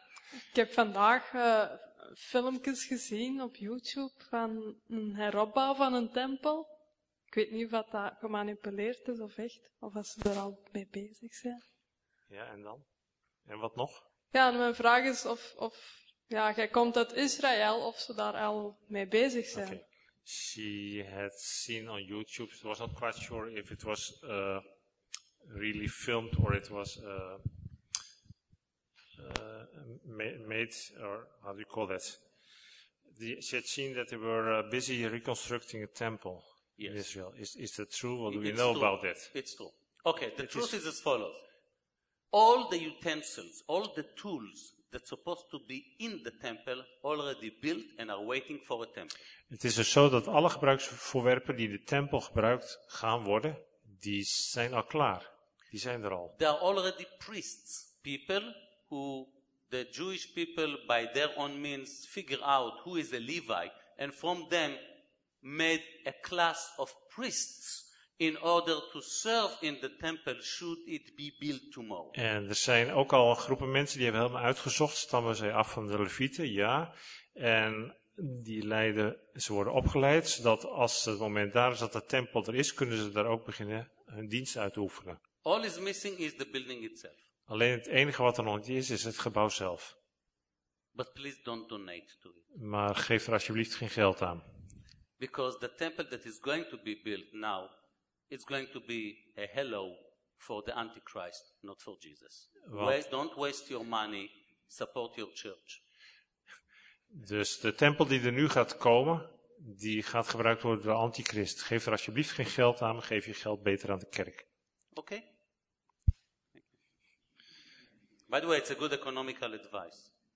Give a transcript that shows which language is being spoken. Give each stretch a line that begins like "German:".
Dutch: Ik heb vandaag filmpjes gezien op YouTube van een heropbouw van een tempel. Ik weet niet of dat gemanipuleerd is of echt, of als ze er al mee bezig zijn. Ja, en dan? En wat nog? Ja, en mijn vraag is of ja, jij komt uit Israël, of ze daar al mee bezig zijn.
English: Okay. She had seen on YouTube, she was not quite sure if it was really filmed or it was made, or how do you call that? She had seen that they were busy reconstructing a temple yes. in Israel. Is that true? What do we know true. About that? It's true. Okay, the truth is as follows. All the utensils, all the tools that's supposed to be in the temple already built and are waiting for a temple.
Dutch: Het is dus zo dat alle gebruiksvoorwerpen die de tempel gebruikt gaan worden, die zijn al klaar. Die zijn er al.
English: There are already priests, people who the Jewish people by their own means figure out who is a Levite and from them made a class of priests in order to serve in the temple should it be built tomorrow.
Dutch: En er zijn ook al groepen mensen die hebben helemaal uitgezocht, stammen zij af van de Levieten, ja. En die leiden, ze worden opgeleid, zodat als het moment daar is dat de tempel er is, kunnen ze daar ook beginnen hun dienst uit te oefenen.
English: All is missing is the building itself.
Dutch: Alleen het enige wat er nog niet is, is het gebouw zelf.
English: But please don't donate to it.
Dutch: Maar geef er alsjeblieft geen geld aan.
English: Because the temple that is going to be built now, it's going to be a hello for the Antichrist, not for Jesus. Don't waste your money, support your church.
Dutch: Dus de tempel die er nu gaat komen, die gaat gebruikt worden door de Antichrist. Geef er alsjeblieft geen geld aan, maar geef je geld beter aan de kerk. Oké. Okay.
English: By the way, it's a good economical advice.